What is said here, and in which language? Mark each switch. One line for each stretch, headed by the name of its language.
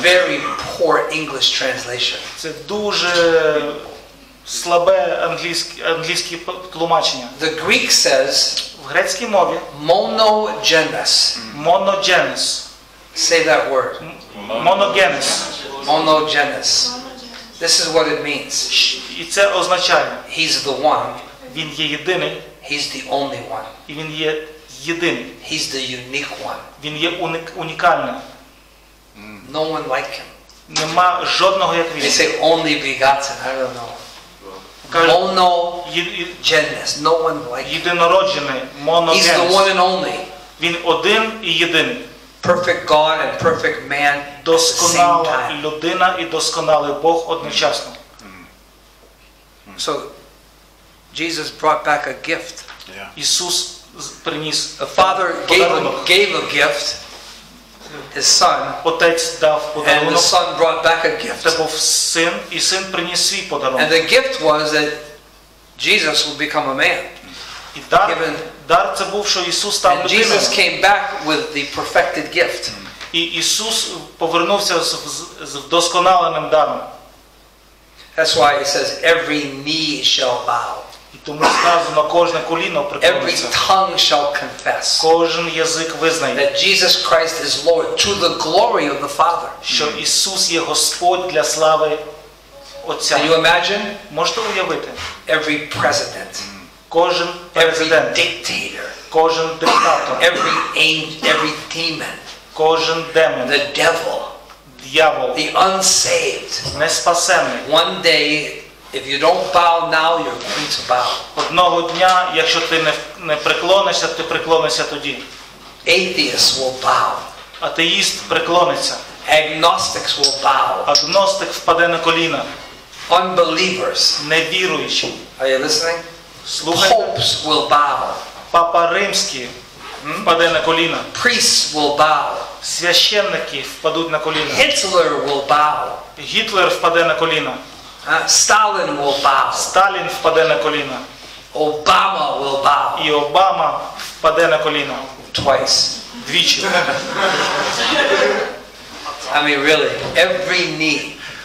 English: It's a very poor English translation.
Ukrainian: Це дуже слабе англійське тлумачення.
English: The Greek says,
Ukrainian: в грецькій мові
English: monogenes. Monogenes. Say that word. Monogenes. Monogenes. This is what it means.
Ukrainian: І це означає.
English: He's the one.
Ukrainian: Він є єдиний.
English: He's the only one.
Ukrainian: І він є єдиний.
English: He's the unique one.
Ukrainian: Він є унікальним.
English: No one like him.
Ukrainian: Нема жодного як він.
English: They say only begotten. I don't know. Monogenes. No one like him.
Ukrainian: Єдинороджений. Monogenes.
English: He's the one and only.
Ukrainian: Він один і єдиний.
English: Perfect God and perfect man.
Ukrainian: Досконала людина і досконалий Бог одночасно.
English: So Jesus brought back a gift.
Ukrainian: Ісус приніс.
English: The Father gave a gift. His Son.
Ukrainian: Отець дав подарунок.
English: And the Son brought back a gift.
Ukrainian: Це був син, і син приніс свій подарунок.
English: And the gift was that Jesus would become a man.
Ukrainian: І дар це був, що Ісус став людиною.
English: And Jesus came back with the perfected gift.
Ukrainian: І Ісус повернувся з вдосконаленим даром.
English: That's why it says every knee shall bow.
Ukrainian: І тому сказано, кожне коліно приклониться.
English: Every tongue shall confess.
Ukrainian: Кожен язик визнає.
English: That Jesus Christ is Lord to the glory of the Father.
Ukrainian: Що Ісус є Господь для слави Отця.
English: Can you imagine?
Ukrainian: Можете уявити?
English: Every president.
Ukrainian: Кожен президент,
English: every dictator,
Ukrainian: кожен диктатор,
English: every angel, every demon,
Ukrainian: кожен демон,
English: the devil,
Ukrainian: диявол,
English: the unsaved,
Ukrainian: неспасений.
English: One day, if you don't bow now, you're going to bow.
Ukrainian: Одного дня, якщо ти не преклонишся, ти преклонишся тоді.
English: Atheist will bow.
Ukrainian: Атеїст преклониться.
English: Agnostics will bow.
Ukrainian: Агностик впаде на коліна.
English: Unbelievers,
Ukrainian: невіруючі.
English: Are you listening?
Ukrainian: Слухай.
English: Popes will bow.
Ukrainian: Папа Римський впаде на коліна.
English: Priests will bow.
Ukrainian: Священники впадуть на коліна.
English: Hitler will bow.
Ukrainian: Гітлер впаде на коліна.
English: Сталін will bow.
Ukrainian: Сталін впаде на коліна.
English: Обама will bow.
Ukrainian: І Обама впаде на коліна.
English: Twice.
Ukrainian: Двічі.
English: I mean really, every knee.